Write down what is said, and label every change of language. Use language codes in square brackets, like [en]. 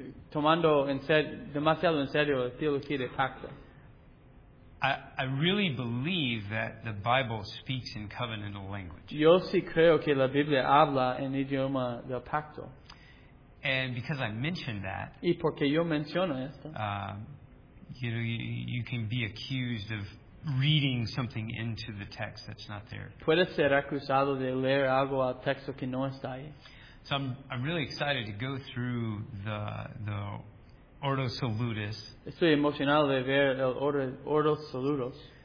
[es] tomando en serio, demasiado en serio la teología de pacto. [en] I really believe that the Bible speaks in covenantal language. [es] Yo sí creo que la Biblia habla en idioma del pacto. [en] And because I mentioned that, [es] y porque yo menciono esto, [en] you can be accused of reading something into the text that's not there. [es] Puede ser acusado de leer algo al texto que no está ahí. [en] So I'm really excited to go through the Ordo Salutis. [es] Estoy emocionado de ver el Ordo Salutis.